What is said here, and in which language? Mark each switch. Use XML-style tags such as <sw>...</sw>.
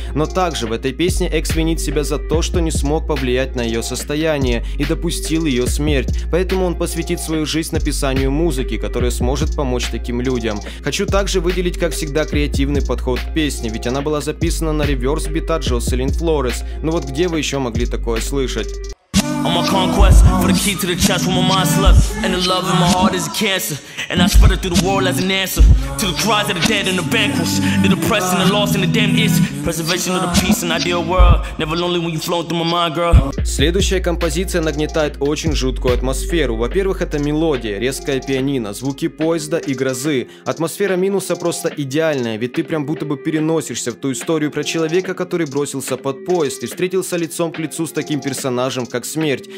<ru>Но также в этой песне Экс винит себя за то, что не смог повлиять на ее состояние и допустил ее смерть, поэтому он посвятит свою жизнь написанию музыки, которая сможет помочь таким людям. Хочу также выделить, как всегда, креативный подход к песне, ведь она была записана на реверс бита Джоселин Флорес. Ну вот где вы еще могли такое слышать?</ru> <en>On my conquest, for the key to the chest where my mind slept. And the love in my heart is a cancer. And I spread it through the world as an answer to the cries of the dead and the vanquished. The depressed and the lost and the damned itch. Preservation of the peace and ideal world. Never lonely when you flown through my mind, girl.</en> <ru>Следующая композиция нагнетает очень жуткую атмосферу. Во-первых, это мелодия, резкая пианино, звуки поезда и грозы. Атмосфера минуса просто идеальная, ведь ты прям будто бы переносишься в ту историю про человека, который бросился под поезд и встретился лицом к лицу с таким персонажем, как смерть.</ru>